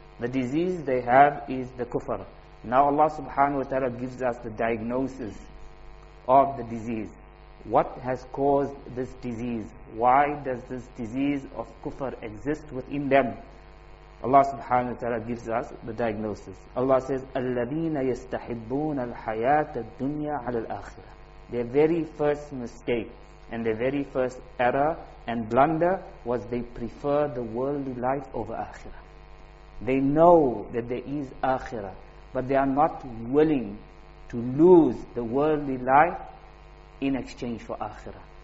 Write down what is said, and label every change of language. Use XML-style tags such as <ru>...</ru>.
<en>The disease they have is the kufr. Now Allah subhanahu wa ta'ala gives us the diagnosis of the disease. What has caused this disease? Why does this disease of kufr exist within them? Allah subhanahu wa ta'ala gives us the diagnosis. Allah says,</en> <ar>الَّذِينَ يَسْتَحِبُّونَ الْحَيَاةَ الدُّنْيَا عَلَى الْآخِرَةِ.</ar> <en>Their very first mistake and their very first error and blunder was they prefer the worldly life over akhirah. They know that there is akhirah, but they are not willing to lose the worldly life in exchange for akhirah.</en>